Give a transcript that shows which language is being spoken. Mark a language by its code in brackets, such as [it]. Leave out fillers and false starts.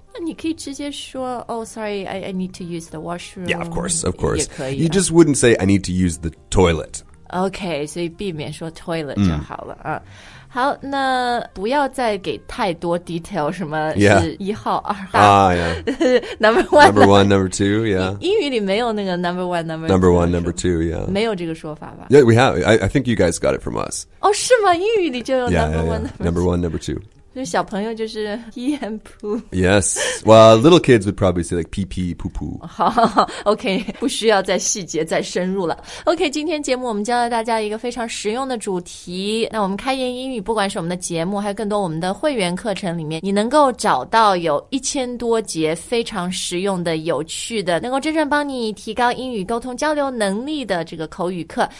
[zh] 你可以直接说 [en] Oh, sorry, I need to use the washroom. Yeah, of course. You just wouldn't say, I need to use the toilet. [zh] Okay, 所以避免说 toilet 就好了、好，那不要再给太多 detail 什么、 [en] yeah. [zh] 是一号、二号、 [en] Number one, number two, yeah. [zh] 英语里没有那个 [en] number one, number two. Number one, number two, yeah. [zh] 没有这个说法吧 [en] Yeah, we have. I think you guys got it from us. [zh] 哦、oh, ，是吗？英语里就有 number one, number two. [en] Number one, number two. [zh] 就小朋友就是 [en] pee and poo. Yes. Well, little kids would probably say like pee pee poo poo. [zh] 好 ，OK， 不需要再细节再深入了。OK， 今天节目我们教了大家一个非常实用的主题。那我们开言英语，不管是我们的节目，还有更多我们的会员课程里面，你能够找到有1000多节非常实用的、有趣的，能够真正帮你提高英语沟通交流能力的这个口语课。